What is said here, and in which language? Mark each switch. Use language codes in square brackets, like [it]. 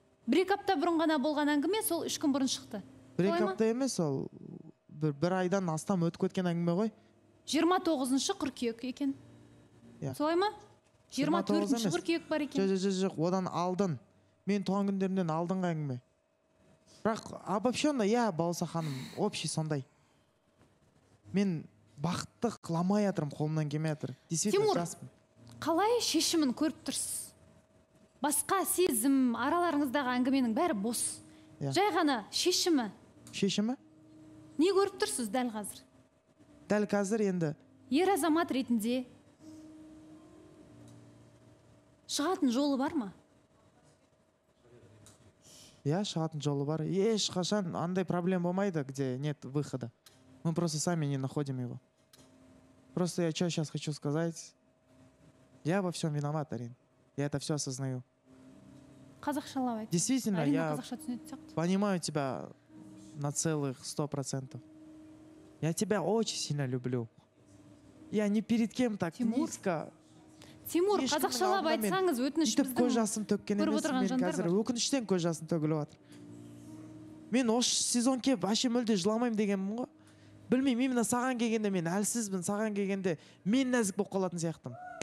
[kk] Бір екі апта бұрын ғана болған әңгіме сол үш күн бұрын шықты. Бір екі апта емес, ол бір айдан астам өтіп кеткен әңгіме ғой. 29-шы қыркүйек екен. [en] Yeah. [kk] Солай ма? 24-шы қыркүйек бар екен. Жоқ, одан алдын. Мен туған күндерімнен алдынғы әңгіме. Бірақ обобщенно, иә, балауса ханым, общий сондай. Мен бақытты қыламай жатырмын, қолымнан келмей жатыр. Тимур, қалай шешімін көріп тұрсыз? Басқа сезім, араларыңыздағы әңгіменің бәрі бос. [en] Yeah. [kk] Жай ғана шешімі. Шешімі? Не көріп тұрсыз дәл қазір? Дәл қазір енді. Ер азамат ретінде. Шығатын жолы бар ма? Иә, [en] yeah, [kk] шығатын жолы бар. Ешқашан андай проблем болмайды, [ru] где нет выхода. Мы просто сами не находим его. Просто я что сейчас хочу сказать. Я во всем виноват, Арин. Я это все осознаю. [kk] Қазақшалай. [ru] Действительно, я [kk] қазақша түсінеді сияқты. [ru] Понимаю тебя на целых 100%. Я тебя очень сильно люблю. Я ни перед кем так низко. [kk] Тимур, қазақшалай айтсаңыз, өтініш біздің. Көз жасым төккен емес, мен қазір өкініштен көз жасым төгіліп жатыр. Мен осы сезон кеп, вообще мүлде жыламаймын дегенмін ғой. Білмеймін, мен саған келгенде мен әлсізбін, саған келгенде мен нәзік болып қалатын сияқтымын.